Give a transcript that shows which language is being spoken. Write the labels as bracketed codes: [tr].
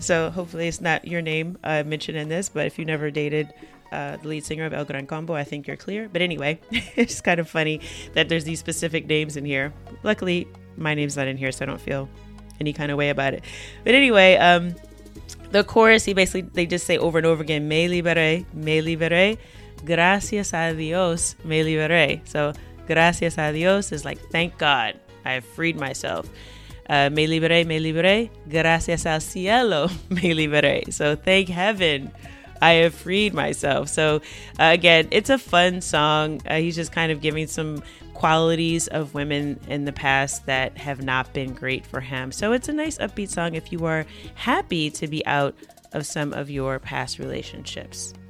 [en] So hopefully it's not your name mentioned in this, but if you never dated the lead singer of El Gran Combo, I think you're clear. But anyway, it's kind of funny that there's these specific names in here. Luckily, my name's not in here, so I don't feel any kind of way about it. But anyway, the chorus, they just say over and over again, [es] me liberé, me liberé. Gracias a Dios, me liberé. [en] So [es] gracias a Dios [en] is like, thank God, I have freed myself. [es] Me liberé, gracias al cielo, me liberé. [en] So thank heaven, I have freed myself. So again, it's a fun song. He's just kind of giving some qualities of women in the past that have not been great for him. So it's a nice upbeat song if you are happy to be out of some of your past relationships.